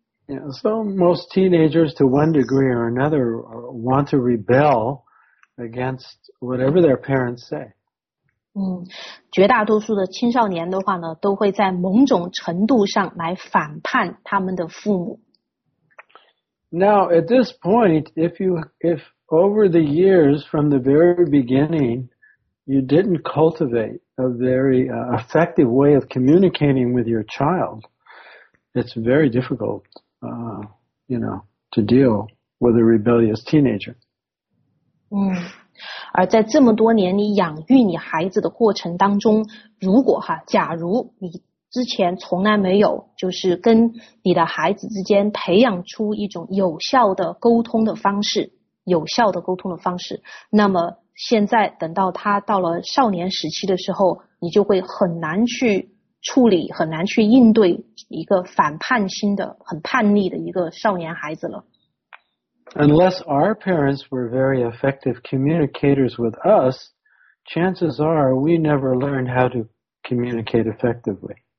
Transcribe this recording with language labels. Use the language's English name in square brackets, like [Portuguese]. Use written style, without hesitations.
[English] Yeah, so most teenagers to one degree or another want to rebel against whatever their parents say. [Chinese] 绝大多数的青少年的话呢，都会在某种程度上来反叛他们的父母。 [English] Now, at this point, if over the years from the very beginning, you didn't cultivate a very effective way of communicating with your child, it's very difficult, to deal with a rebellious teenager. [Chinese] 而在这么多年你养育你孩子的过程当中，如果哈，假如你之前从来没有就是跟你的孩子之间培养出一种有效的沟通的方式，有效的沟通的方式，那么现在等到他到了少年时期的时候，你就会很难去处理，很难去应对一个反叛心的、很叛逆的一个少年孩子了。 [English] Unless our parents were very effective communicators with us, chances are we never learned how to communicate effectively.